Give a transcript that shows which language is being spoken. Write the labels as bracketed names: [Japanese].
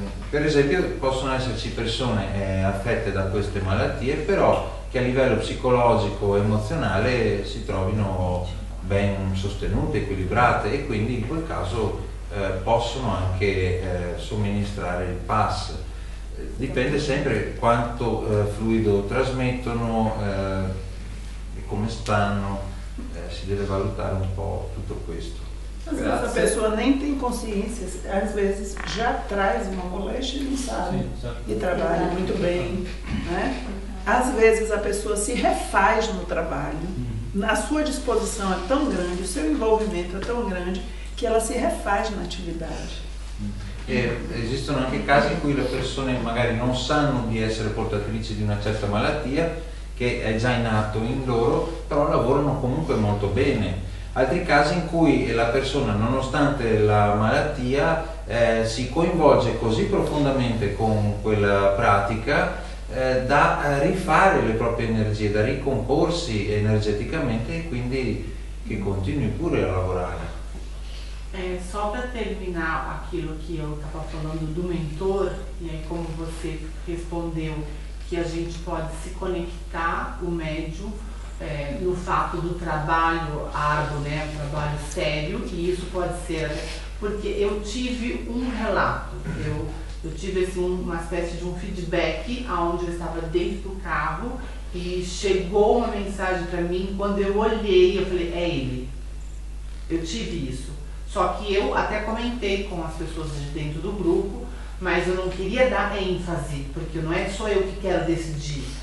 [Italian] Per esempio possono esserci persone affette da queste malattie, però che a livello psicologico e emozionale si trovino ben sostenute, equilibrate, e quindi in quel caso possono anche somministrare il pass. Dipende sempre quanto fluido trasmettono, come stanno, si deve valutare un po' tutto questo. Grazie. [Portuguese] Mas essa pessoa nem tem consciência, às vezes já traz uma moléstia e não sabe. E trabalha muito bem, né? Às vezes a pessoa se refaz no trabalho, a sua disposição é tão grande, o seu envolvimento é tão grande, que ela se refaz na atividade. [Italian] Esistono anche casi in cui le persone magari non sanno di essere portatrici di una certa malattia, che è già in atto in loro, però lavorano comunque molto bene. Altri casi in cui la persona, nonostante la malattia, si coinvolge così profondamente con quella pratica da rifare le proprie energie, da ricomporsi energeticamente, e quindi che continui pure a lavorare. [Portuguese] Só para terminar aquilo [Italian] che [Portuguese] eu estava falando do mentor, e aí como você respondeu, que a gente pode se conectar, o médium, no fato do trabalho árduo, né, um trabalho sério, e isso pode ser, porque eu tive um relato, eu tive assim, uma espécie de um feedback, onde eu estava dentro do carro, e chegou uma mensagem para mim, quando eu olhei, eu falei, é ele, eu tive isso, só que eu até comentei com as pessoas de dentro do grupo, mas eu não queria dar ênfase, porque não é só eu que quero decidir.